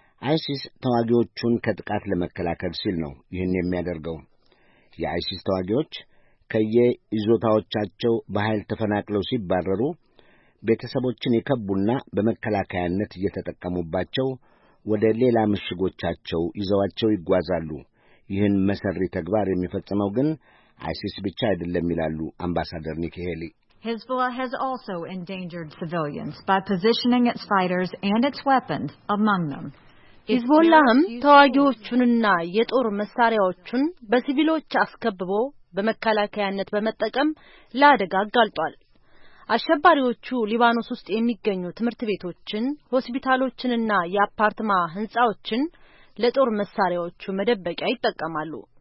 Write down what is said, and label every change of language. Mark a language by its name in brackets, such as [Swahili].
[Amharic] አይሲስ ተዋጊዎቹን ከጥቃት ለመከላከል ሲል ነው ይህን የሚያደርገው። የአይሲስ ተዋጊዎች ከየይዞታዎቻቸው በኃይል ተፈናቅለው ሲባረሩ ቤተሰቦችን የከቡና በመከላከያነት እየተጠቀሙባቸው ወደ ሌላ ምሽጎቻቸው ይዘዋቸው ይጓዛሉ። ይህን መሰሪ ተግባር የሚፈጽመው ግን አይሲስ ብቻ አይደለም ይላሉ አምባሳደር ኒኪ ሄሊ። [English] Hezbollah has also endangered civilians by positioning its fighters and its weapons among them. [Amharic] ሂዝቦላህም ተዋጊዎቹንና የጦር መሳሪያዎቹን በሲቪሎች አስከብቦ በመከላከያነት በመጠቀም ለአደጋ አጋልጧል። አሸባሪዎቹ ሊባኖስ ውስጥ የሚገኙ ትምህርት ቤቶችን፣ ሆስፒታሎችንና የአፓርትማ ህንጻዎችን ለጦር መሳሪያዎቹ መደበቂያ ይጠቀማሉ።